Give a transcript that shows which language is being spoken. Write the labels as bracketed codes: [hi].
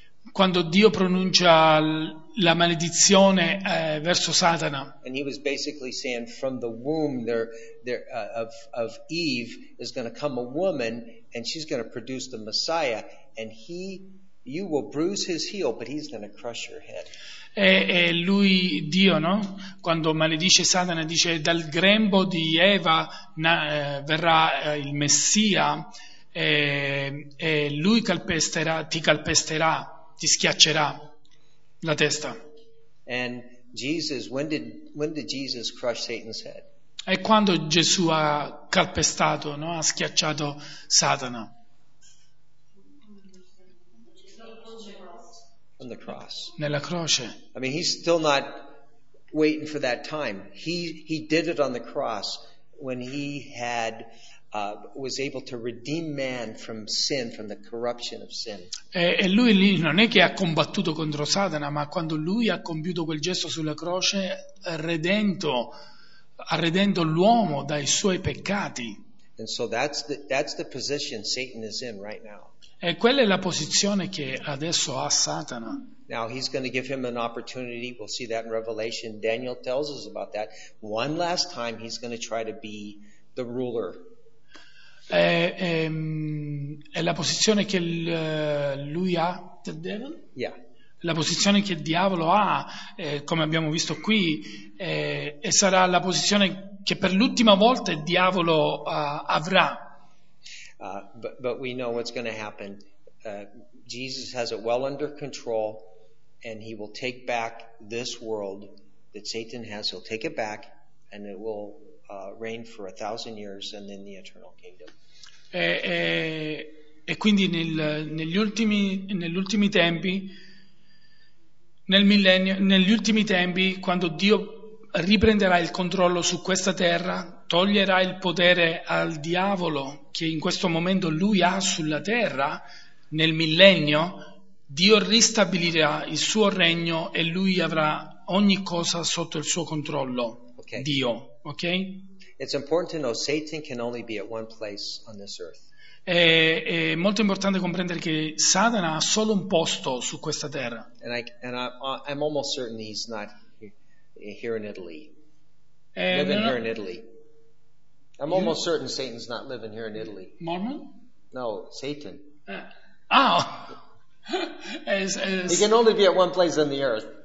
[it] Quando Dio pronuncia la maledizione verso Satana. [en] And he was basically saying from the womb of Eve is going to come a woman and she's going to produce the Messiah. And you will bruise his heel, but he's going to crush your head. [it] E lui, Dio, no? Quando maledice Satana, dice dal grembo di Eva verrà il Messia, e lui ti calpesterà, ti schiaccerà. la testa. [en] And Jesus, when did Jesus crush Satan's head? [it] E quando Gesù ha calpestato, no? Ha schiacciato Satana. [en] On the cross. [it] Nella croce. [en] I mean, he's still not waiting for that time. He did it on the cross when he had was able to redeem man from sin, from the corruption of sin. [it] E lui lì non è che ha combattuto contro Satana, ma quando lui ha compiuto quel gesto sulla croce, ha redento l'uomo dai suoi peccati. [en] And so that's the position Satan is in right now. [it] E quella è la posizione che adesso ha Satana. [en] Now he's going to give him an opportunity. We'll see that in Revelation. Daniel tells us about that. One last time he's going to try to be the ruler. [it] È la posizione che lui ha, [en] the devil? Yeah. [it] La posizione che il diavolo ha, come abbiamo visto qui, e sarà la posizione che per l'ultima volta il diavolo avrà. [en] But we know what's going to happen. Jesus has it well under control, and he will take back this world that Satan has. He'll take it back, and it will reign for 1,000 years, and then the eternal kingdom. [it] E quindi negli ultimi tempi, nel millennio, negli ultimi tempi, quando Dio riprenderà il controllo su questa terra, toglierà il potere al diavolo che in questo momento lui ha sulla terra, nel millennio Dio ristabilirà il suo regno e lui avrà ogni cosa sotto il suo controllo. [en] Okay. [it] Dio, ok? [en] It's important to know Satan can only be at one place on this earth. [it] È molto importante comprendere che Satana ha solo un posto su questa terra. [en] And I'm almost certain he's not here in Italy. Living here in Italy. I'm almost certain Satan's not living here in Italy. Mormon? No, Satan. Ah! He can only be at one place on the earth.